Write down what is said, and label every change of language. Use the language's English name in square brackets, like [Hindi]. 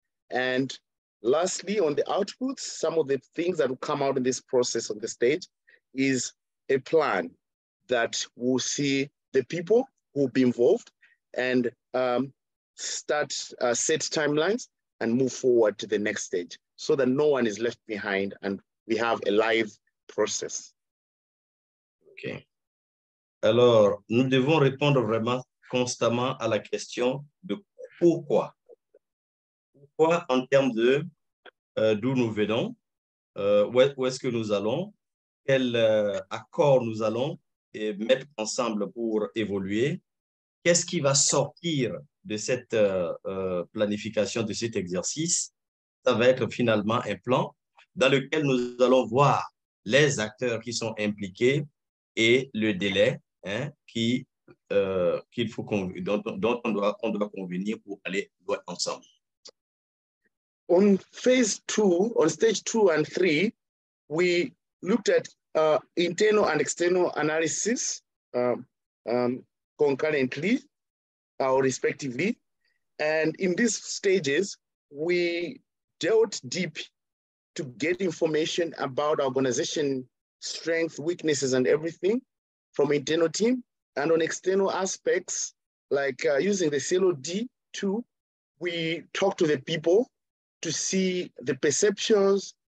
[English] And lastly, on the outputs, some of the things that will come out in this process on the stage is a plan that will see the people who will be involved and start set timelines and move forward to the next stage so that no one is left behind and we have a live process. Okay. [French] Alors, nous devons répondre vraiment constamment à la question de pourquoi. Pourquoi en termes de d'où nous venons, où est-ce que nous allons, quel accord nous allons mettre ensemble pour évoluer, qu'est-ce qui va sortir de cette planification, de cet exercice. Ça va être finalement un plan dans lequel nous allons voir les acteurs qui sont impliqués et le délai. Hein, qu'il faut dont on doit convenir pour aller ensemble. [English] On phase two, on stage two and three, we looked at internal and external analysis concurrently or respectively. And in these stages, we dealt deep to get information about organization strength, weaknesses, and everything from internal team and on external aspects, like using the CLOD tool, we talk to the people to see the perceptions,